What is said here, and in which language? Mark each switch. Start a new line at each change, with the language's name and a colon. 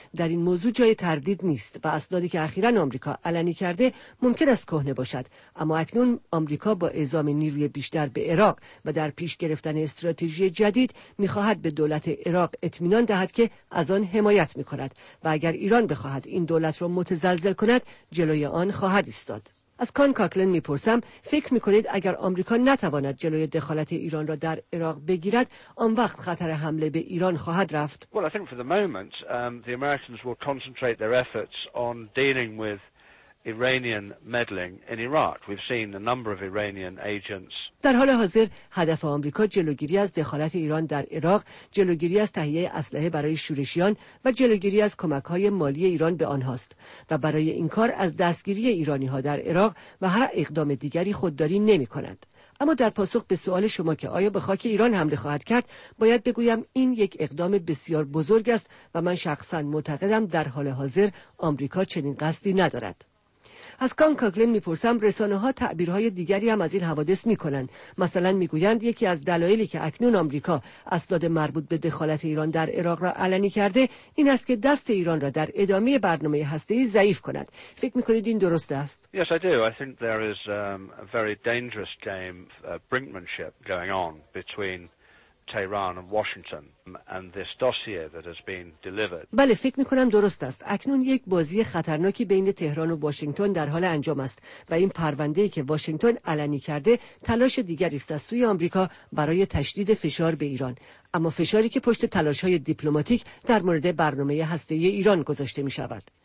Persian: در این موضوع جای تردید نیست و اسنادی که اخیراً آمریکا علنی کرده ممکن است کهنه باشد، اما اکنون آمریکا با اعزام نیروی بیشتر به عراق و در پیش گرفتن استراتژی جدید می‌خواهد به دولت عراق اطمینان دهد که از آن حمایت می‌کند و اگر ایران بخواهد این دولت را متزلزل کند جلوی آن خواهد ایستاد. از کان کاکلن میپرسم، فکر میکنید اگر آمریکا نتواند جلوی دخالت ایران را در عراق بگیرد، آن وقت خطر حمله به ایران خواهد رفت؟
English: Well, I think for the moment, the Americans will concentrate their efforts on dealing with Iranian meddling in Iraq. We've seen a number of Iranian agents.
Persian: در حال حاضر هدف آمریکا جلوگیری از دخالت ایران در عراق، جلوگیری از تهیه اسلحه برای شورشیان و جلوگیری از کمک‌های مالی ایران به آنهاست و برای این کار از دستگیری ایرانی‌ها در عراق و هر اقدام دیگری خودداری نمی‌کند. اما در پاسخ به سوال شما که آیا به خاک ایران حمله خواهد کرد، باید بگویم این یک اقدام بسیار بزرگ است و من شخصا معتقدم در حال حاضر آمریکا چنین قصدی ندارد. از کان کاکلن میپرسم، رسانه‌ها تعبیرهای دیگری هم از این حوادث میکنند. مثلا میگویند یکی از دلایلی که اکنون آمریکا اسناد مربوط به دخالت ایران در عراق را علنی کرده این است که دست ایران را در ادامه برنامه هسته‌ای ضعیف کند. فکر میکنید این درست است؟
English: Yes, I do. I think there is a very dangerous game of brinkmanship going on between Tehran and Washington. And this dossier that has been delivered.
Persian: بله، فکر می‌کنم درست است. اکنون یک بازی خطرناکی بین تهران و واشنگتن در حال انجام است و این پرونده‌ای که واشنگتن علنی کرده تلاش دیگری است از سوی آمریکا برای تشدید فشار به ایران، اما فشاری که پشت تلاش‌های دیپلماتیک در مورد برنامه هسته‌ای ایران گذاشته می‌شود.